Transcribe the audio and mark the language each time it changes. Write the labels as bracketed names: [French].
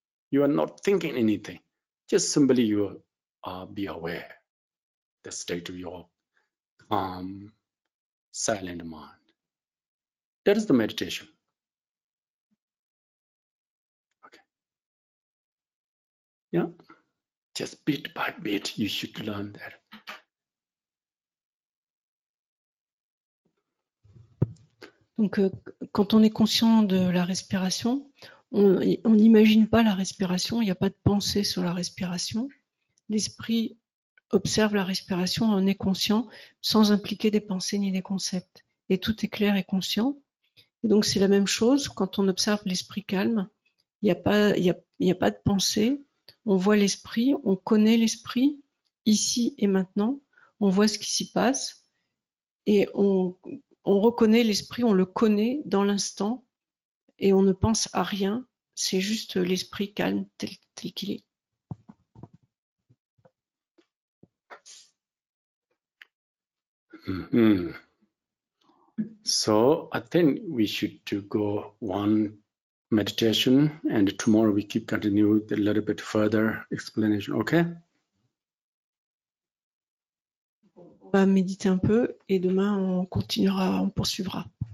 [English] You are not thinking anything. Just simply you are be aware, the state of your calm, silent mind. That is the meditation. Okay. Yeah. Just bit by bit, you should learn that. [French] Donc, quand on est conscient de la respiration, on n'imagine pas la respiration, il n'y a pas de pensée sur la respiration. L'esprit observe la respiration, on est conscient, sans impliquer des pensées ni des concepts. Et tout est clair et conscient. Et donc, c'est la même chose quand on observe l'esprit calme. Il n'y a pas de pensée. On voit l'esprit, on connaît l'esprit, ici et maintenant. On voit ce qui s'y passe. Et on reconnaît l'esprit, on le connaît dans l'instant et on ne pense à rien, c'est juste l'esprit calme tel qu'il est. Mm-hmm. [English] So, I think we should go one meditation and tomorrow we keep continue a little bit further explanation, okay? [French] On va méditer un peu et demain on continuera, on poursuivra.